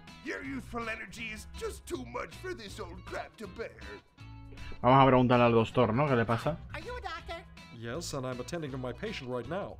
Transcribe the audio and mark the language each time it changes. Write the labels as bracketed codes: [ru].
[en] Your youthful energy is just too much for this old crap to bear. [es] Vamos a preguntarle al doctor, ¿no? ¿Qué le pasa? [en] Are you a doctor? Yes, and I'm attending to my patient right now.